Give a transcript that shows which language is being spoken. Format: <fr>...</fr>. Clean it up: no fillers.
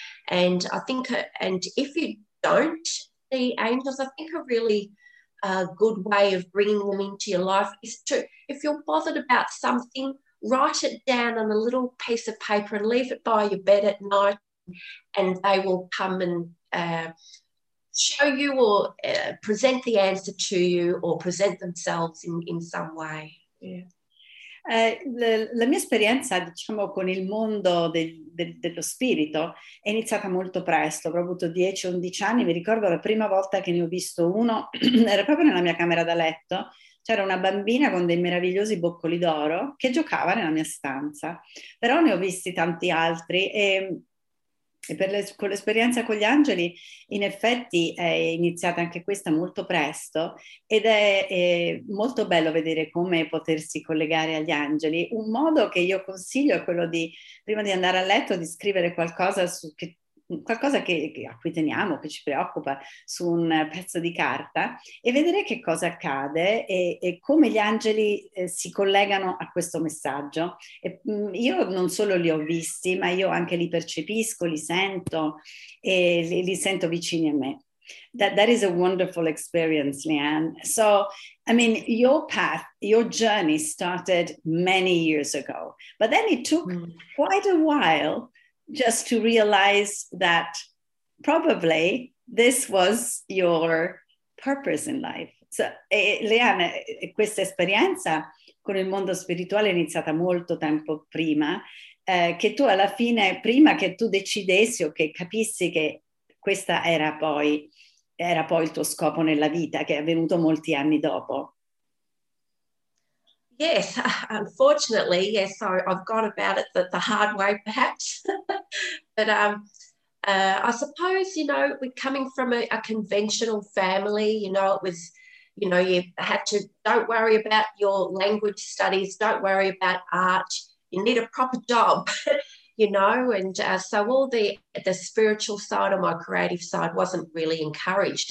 <en>And I think, and if you don't see angels, I think a really good way of bringing them into your life is to, if you're bothered about something, write it down on a little piece of paper and leave it by your bed at night, and they will come and show you or present the answer to you or present themselves in some way. Yeah.</en> <it>La mia esperienza, diciamo, con il mondo dello spirito è iniziata molto presto, ho avuto 10-11 anni, mi ricordo la prima volta che ne ho visto uno, era proprio nella mia camera da letto, c'era una bambina con dei meravigliosi boccoli d'oro che giocava nella mia stanza, però ne ho visti tanti altri e con l'esperienza con gli angeli, in effetti, è iniziata anche questa molto presto, ed è molto bello vedere come potersi collegare agli angeli. Un modo che io consiglio è quello di, prima di andare a letto, di scrivere qualcosa a cui teniamo, che ci preoccupa, su un pezzo di carta, e vedere che cosa accade e come gli angeli si collegano a questo messaggio. E, io non solo li ho visti, ma io anche li percepisco, li sento e li sento vicini a me.</it> <en>That is a wonderful experience, Leanne. So, I mean, your path, your journey started many years ago, but then it took quite a while just to realize that probably this was your purpose in life.</en> <it>So, Leanne, questa esperienza con il mondo spirituale è iniziata molto tempo prima, che tu alla fine, prima che tu decidessi o che capissi che questa era poi il tuo scopo nella vita, che è avvenuto molti anni dopo.</it> <en>Yes, unfortunately, yes, I've gone about it the hard way, perhaps. But I suppose, you know, we're coming from a conventional family, you know, it was, you know, you had to, don't worry about your language studies, don't worry about art, you need a proper job, you know, and so all the spiritual side or my creative side wasn't really encouraged.</en>